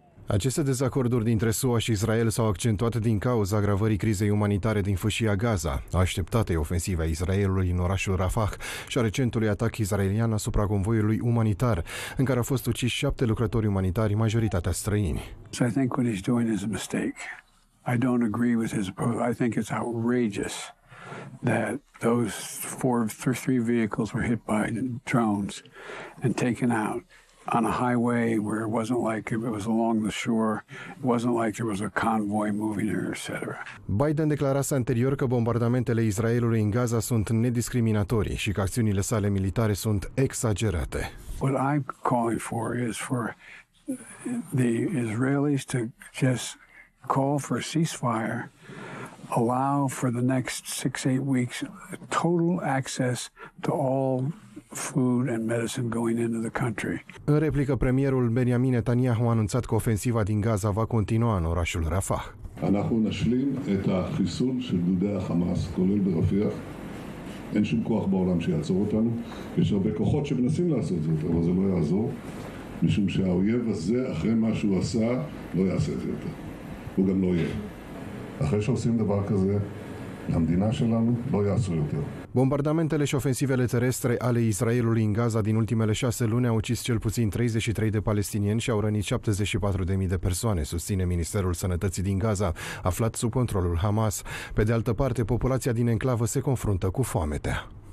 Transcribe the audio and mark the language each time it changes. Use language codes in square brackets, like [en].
[ro] Aceste dezacorduri dintre SUA și Israel s-au accentuat din cauza agravării crizei umanitare din fâșia Gaza, așteptatei ofensive a Israelului în orașul Rafah și a recentului atac israelian asupra convoiului umanitar, în care au fost uciși 7 lucrători umanitari, majoritatea străini. [en] So I think what he's doing is a mistake. I don't agree with his approach. I think it's outrageous that those three vehicles were hit by drones and taken out. On a highway where it wasn't like it was along the shore, it wasn't like there was a convoy moving here, etc. [ro] Biden declarase anterior că bombardamentele Israelului în Gaza sunt nediscriminatorii și că acțiunile sale militare sunt exagerate. [en] What I'm calling for is for the Israelis to just call for a ceasefire, allow for the next 6-8 weeks total access to all food and medicine going into the country. [ro] În replică, premierul Benjamin Netanyahu a anunțat că ofensiva din Gaza va continua în orașul Rafah. [he] אנחנו נשלים את החיסול של דודי החמאס, כולל ברפיח. אין שום כוח בעולם שיעצור אותנו. יש הרבה כוחות שמנסים לעשות זאת, אבל זה לא יעזור. משום שהאויב הזה, אחרי מה שהוא עשה, לא יעשה את זה יותר. הוא גם לא יהיה. אחרי שעושים דבר כזה, למדינה שלנו לא יעשו יותר. [ro] Bombardamentele și ofensivele terestre ale Israelului în Gaza din ultimele 6 luni au ucis cel puțin 33 de palestinieni și au rănit 74.000 de persoane, susține Ministerul Sănătății din Gaza, aflat sub controlul Hamas. Pe de altă parte, populația din enclavă se confruntă cu foametea.